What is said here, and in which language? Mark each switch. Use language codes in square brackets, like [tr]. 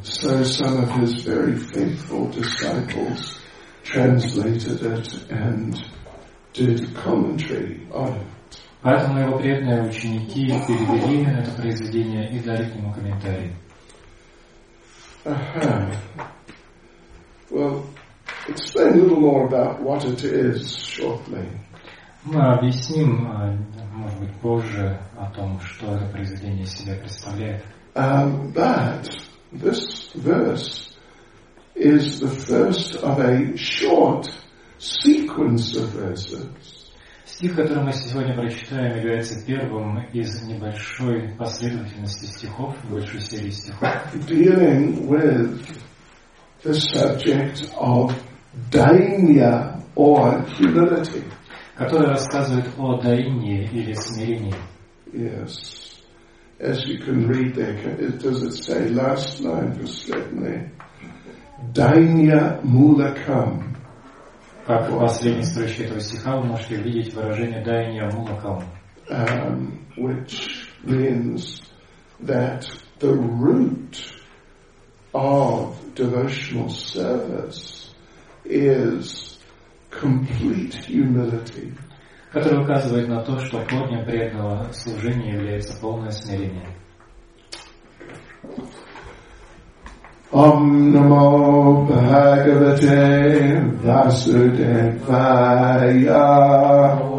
[en] So some of his very faithful disciples translated it and did commentary on it. [ru] Поэтому его преданные ученики перевели это произведение и дали ему комментарий. [en] Well, explain a little more about what it is shortly. [ru] Мы объясним, может быть, позже о том, что это произведение себя представляет. [en] But this verse is the first of a short sequence of verses. [ru] Стих, который мы сегодня прочитаем, является первым из небольшой последовательности стихов, большой серии стихов. [en] Dealing with the subject of dainya or humility. [ru] Который рассказывает о дайне или смирении. [en] Yes. As you can read there, does it say last line, just let me. [sa] Дайня мулакам. [ru] Как в последней строчке этого стиха вы можете видеть выражение дайня мулакам. [en] Which means that the root of devotional service is complete humility. [ru] Который указывает на то, что корнем преданного служения является полное смирение. [sa] Ом намо Бхагавате Васудевая.